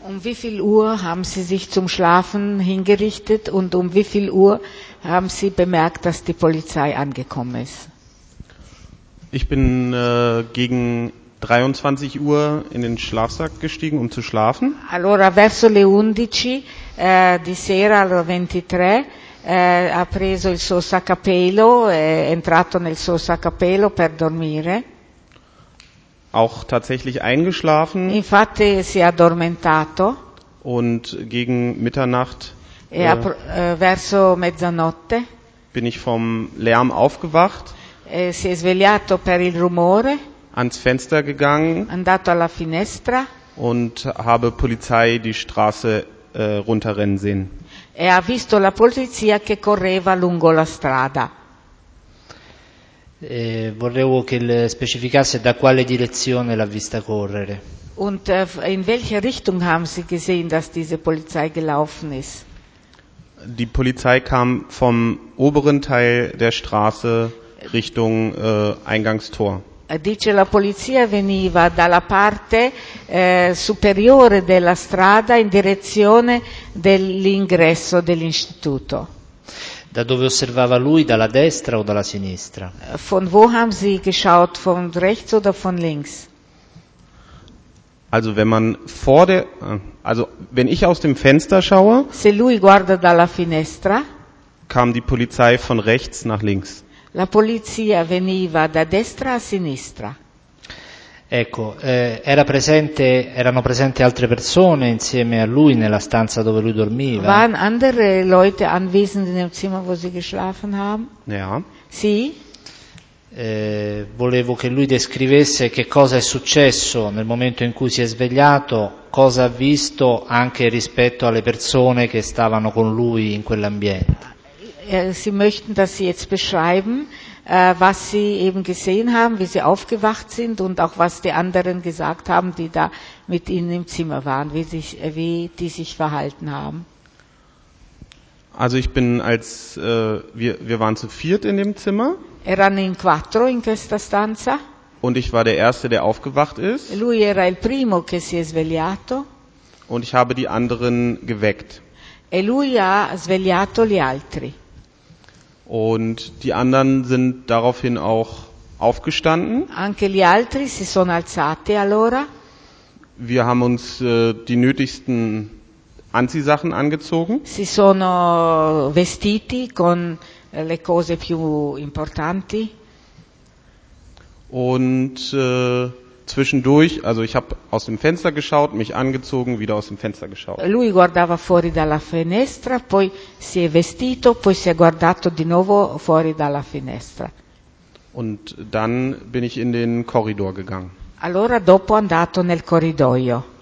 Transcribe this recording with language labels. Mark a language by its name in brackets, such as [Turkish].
[German] Um wie viel Uhr haben Sie sich zum Schlafen hingerichtet und um wie viel Uhr haben Sie bemerkt, dass die Polizei angekommen ist? Ich bin gegen 23 Uhr in den Schlafsack gestiegen, um zu schlafen. [Italian] Allora verso le 11 di sera, alle 23, ha preso il suo sacco a pelo, è entrato nel suo sacco a pelo per dormire. [German] Auch tatsächlich eingeschlafen. [Italian] Infatti si è addormentato. [German] Und gegen Mitternacht. [Italian] E verso mezzanotte. [German] Bin ich vom Lärm aufgewacht. [Italian] Si è svegliato per il rumore. [German] Ans Fenster gegangen. [Italian] Andato alla finestra. [German] Und habe Polizei die Straße runterrennen sehen. [Italian] E ha visto la polizia che correva lungo la strada. Vorrei che le specificasse da quale direzione l'ha vista correre. [German] Und in welche Richtung haben Sie gesehen, dass diese Polizei gelaufen ist? Die Polizei kam vom oberen Teil der Straße Richtung Eingangstor. [Italian] Dice la polizia veniva dalla parte superiore della strada in direzione dell'ingresso dell'istituto. Da dove osservava lui, dalla destra o dalla sinistra? [German] Von wo haben Sie geschaut, von rechts oder von links? Also wenn man vor der, also wenn ich aus dem Fenster schaue, [Italian] se lui guarda dalla finestra, [German] kam die Polizei von rechts nach links. [Italian] La polizia veniva da destra a sinistra. Ecco, erano presenti altre persone insieme a lui nella stanza dove lui dormiva? [German] Waren andere Leute anwesend in dem Zimmer, wo sie geschlafen haben? Ja. [Italian] Sì. Volevo che lui descrivesse che cosa è successo nel momento in cui si è svegliato, cosa ha visto anche rispetto alle persone che stavano con lui in quell'ambiente. [German] Sie möchten, dass Sie jetzt beschreiben, was Sie eben gesehen haben, wie Sie aufgewacht sind und auch was die anderen gesagt haben, die da mit Ihnen im Zimmer waren, wie die sich verhalten haben. Also ich bin als, wir waren zu viert in dem Zimmer. [Italian] Erano in quattro in questa stanza. [German] Und ich war der Erste, der aufgewacht ist. [Italian] Lui era il primo che si è svegliato. [German] Und ich habe die anderen geweckt. [Italian] E lui ha svegliato gli altri. [German] Und die anderen sind daraufhin auch aufgestanden. [Italian] Anche gli altri si sono alzati allora. [German] Wir haben uns die nötigsten Anziehsachen angezogen. [Italian] Si sono vestiti con le cose più importanti. [German] Und zwischendurch, also ich habe aus dem Fenster geschaut, mich angezogen, wieder aus dem Fenster geschaut. [Italian] Lui guardava fuori dalla finestra, poi si è vestito, poi si è guardato di nuovo fuori dalla finestra. [German] Und dann bin ich in den Korridor gegangen. [Italian] Allora dopo andato nel corridoio.